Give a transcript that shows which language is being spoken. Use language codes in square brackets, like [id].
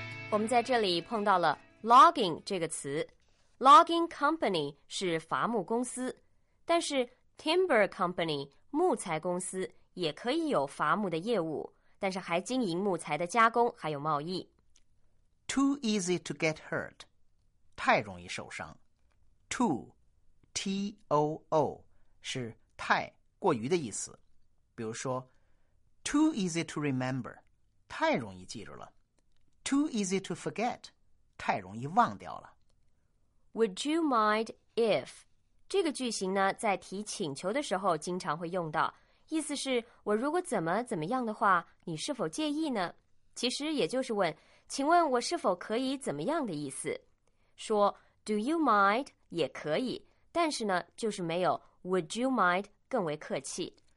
[zh] 我们在这里碰到了 logging 这个词。logging company 是伐木公司，但是 timber company 木材公司也可以有伐木的业务，但是还经营木材的加工还有贸易。 [en] too easy to get hurt， [zh] 太容易受伤。 too T-O-O 是太过于的意思，比如说 [en] too easy to remember， [zh] 太容易记住了。 [en] too easy to forget， [zh] 太容易忘掉了。 [en] Would you mind if [zh] 这个句型呢，在提请求的时候经常会用到，意思是我如果怎么怎么样的话，你是否介意呢？其实也就是问，请问我是否可以怎么样的意思。说 [en] do you mind [zh] 也可以，但是呢，就是没有 [en] Would you mind [zh] 更为客气。